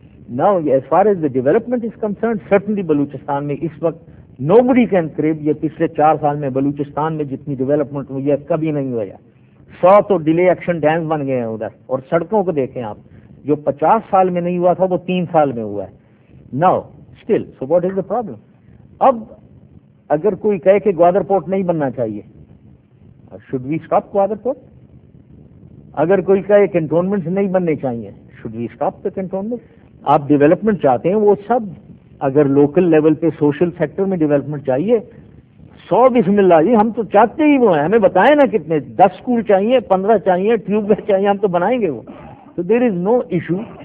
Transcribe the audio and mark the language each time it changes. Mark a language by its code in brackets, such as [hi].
[en] Now, as far as the development is concerned, certainly [ur] Baluchistan میں اس وقت [en] nobody can crib, [ur] یہ پچھلے چار سال میں بلوچستان میں جتنی ڈیولپمنٹ ہوئی ہے کبھی نہیں ہوا, 100 تو ڈیلے ایکشن ڈیمز بن گئے ہیں ادھر, اور سڑکوں کو دیکھیں آپ, جو 50 سال میں نہیں ہوا تھا وہ 3 سال میں ہوا ہے. [en] Now, still, so what is the problem? [ur] اب اگر کوئی کہے کہ گوادر پورٹ نہیں بننا چاہیے, [en] should we stop [ur] Gwadar port? اگر کوئی کہے کنٹونمنٹس نہیں بننے چاہیے, [en] should we stop the [ur] cantonment? آپ ڈیولپمنٹ چاہتے ہیں وہ سب, اگر لوکل لیول پہ سوشل سیکٹر میں ڈیولپمنٹ چاہیے, 100 بسم اللہ جی, ہم تو چاہتے ہی وہ ہیں, ہمیں بتائیں نا کتنے, 10 اسکول چاہیے, 15 چاہیے, ٹیوب ویل چاہیے, ہم تو بنائیں گے وہ, تو [en] There is no issue.